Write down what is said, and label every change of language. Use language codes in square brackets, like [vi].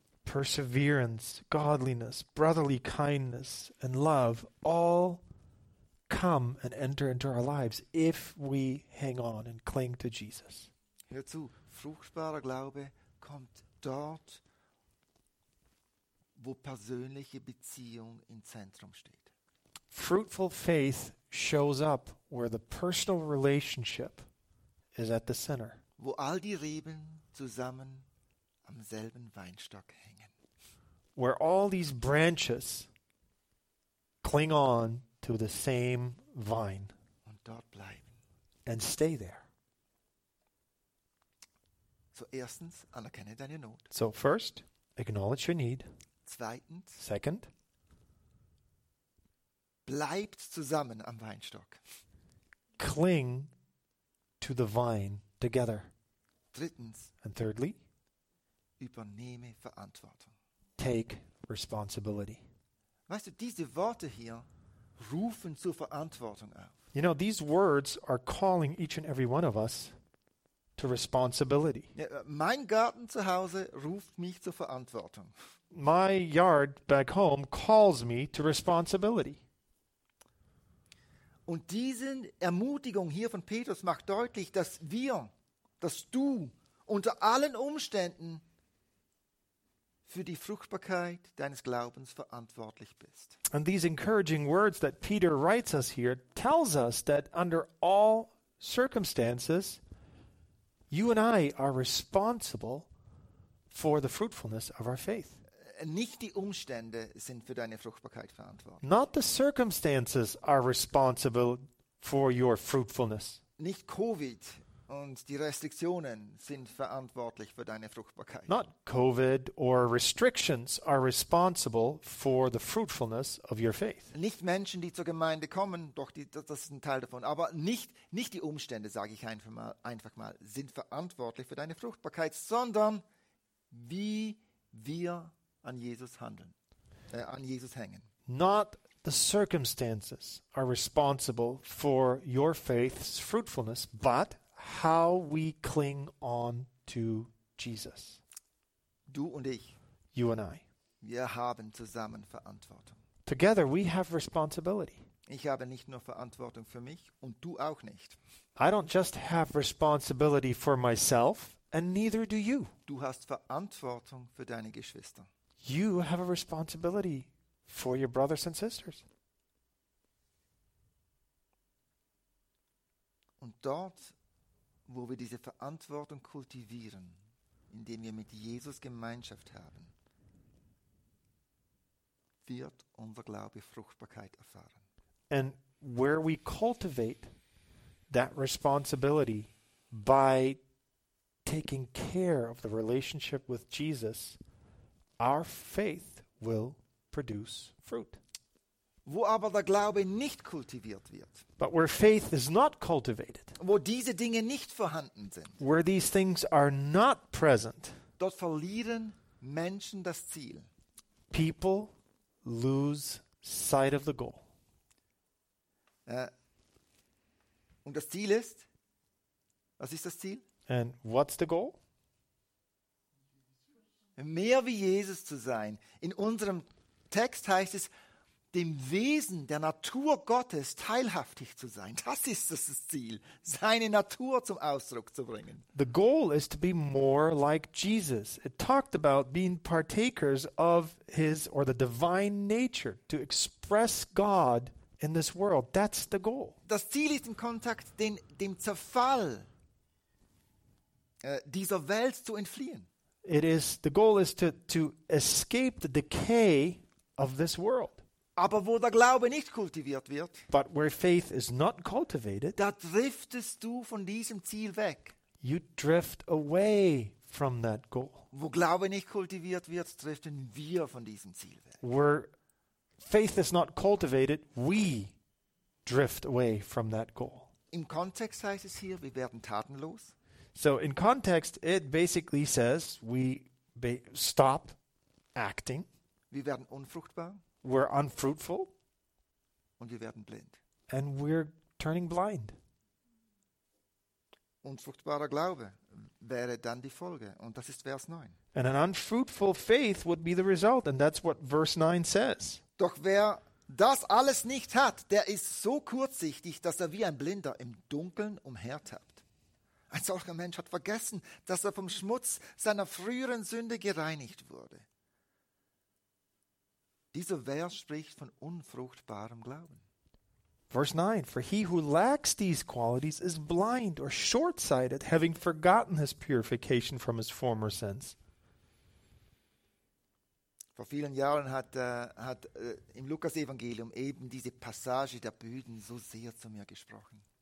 [en] Perseverance, godliness, brotherly kindness and love all come and enter into our lives if we hang on and cling to Jesus. [de] Hör zu, fruchtbarer Glaube kommt dort, wo persönliche Beziehung im Zentrum steht. [en] Fruitful faith shows up where the personal relationship is at the center. [de] Wo all die Reben zusammen am selben Weinstock hängen. [en] Where all these branches cling on to the same vine. [de] Und dort bleiben. [en] And stay there. [de] So erstens, anerkenne deine Not. [en] So first, acknowledge your need. [de] Zweitens. [en] Second. [de] Bleibt zusammen am Weinstock. [en] Cling to the vine together. [de] Drittens. [en] And thirdly. [de] Übernehme Verantwortung. [en] Take responsibility. [de] Weißt du, diese Worte hier rufen zur Verantwortung auf. [en] You know, these words are calling each and every one of us to responsibility. [de] Ja, mein Garten zu Hause ruft mich zur Verantwortung. [en] My yard back home calls me to responsibility. [de] Und diese Ermutigung hier von Petrus macht deutlich, dass wir, dass du unter allen Umständen für die Fruchtbarkeit deines Glaubens verantwortlich bist. [en] And these encouraging words that Peter writes us here tells us that under all circumstances, you and I are responsible for the fruitfulness of our faith. [de] Nicht die Umstände sind für deine Fruchtbarkeit verantwortlich. [en] Not the circumstances are responsible for your fruitfulness. [de] Nicht Covid und die Restriktionen sind verantwortlich für deine Fruchtbarkeit. [en] Not Covid or restrictions are responsible for the fruitfulness of your faith. [de] Nicht Menschen, die zur Gemeinde kommen, doch die, das ist ein Teil davon, aber nicht die Umstände, sage ich einfach mal, sind verantwortlich für deine Fruchtbarkeit, sondern wie wir an Jesus handeln, an Jesus hängen. [en] Not the circumstances are responsible for your faith's fruitfulness, but how we cling on to Jesus. [de] Du und ich. [en] You and I. [de] Wir haben zusammen Verantwortung. [en] Together we have responsibility. [de] Ich habe nicht nur Verantwortung für mich und du auch nicht. [en] I don't just have responsibility for myself and neither do you. [de] Du hast Verantwortung für deine Geschwister. [en] You have a responsibility for your brothers and sisters. [de] Und dort, wo wir diese Verantwortung kultivieren, indem wir mit Jesus Gemeinschaft haben, wird unser Glaube Fruchtbarkeit erfahren. [en] And where we cultivate that responsibility by taking care of the relationship with Jesus, our faith will produce fruit. [de] Wo aber der Glaube nicht kultiviert wird. [en] But where faith is not cultivated. [de] Wo diese Dinge nicht vorhanden sind. [en] Where these things are not present. [de] Dort verlieren Menschen das Ziel. [en] People lose sight of the goal. [de] Und das Ziel ist? Was ist das Ziel? [en] And what's the goal? [de] Mehr wie Jesus zu sein. In unserem Text heißt es, dem Wesen der Natur Gottes teilhaftig zu sein. Das ist das Ziel, seine Natur zum Ausdruck zu bringen. [en] The goal is to be more like Jesus. It talked about being partakers of his or the divine nature, to express God in this world. That's the goal. [de] Das Ziel ist, im Kontakt dem Zerfall dieser Welt zu entfliehen. [en] It is, the goal is to escape the decay of this world. [de] Aber wo der Glaube nicht kultiviert wird, [en] but where faith is not cultivated, [de] da driftest du von diesem Ziel weg. [en] You drift away from that goal. [de] Wo Glaube nicht kultiviert wird, driften wir von diesem Ziel weg. [en] Where faith is not cultivated, we drift away from that goal. [de] Im Kontext heißt es hier, wir werden tatenlos. [en] So in context, it basically says we stop acting. [de] Wir werden unfruchtbar. [en] We're unfruitful. [de] Und wir werden blind. [en] And we're turning blind. [de] Unfruchtbarer Glaube wäre dann die Folge. Und das ist Vers 9. [en] And an unfruitful faith would be the result. And that's what verse 9 says. [de] Doch wer das alles nicht hat, der ist so kurzsichtig, dass er wie ein Blinder im Dunkeln umhertappt. Ein solcher Mensch hat vergessen, dass er vom Schmutz seiner früheren Sünde gereinigt wurde. Dieser Vers spricht von unfruchtbarem Glauben. [en] Verse 9, for he who lacks these qualities is blind or short-sighted, having forgotten his purification from his former sins. [de] Vor vielen Jahren hat im Lukas-Evangelium eben diese Passage der Böden so sehr zu mir gesprochen.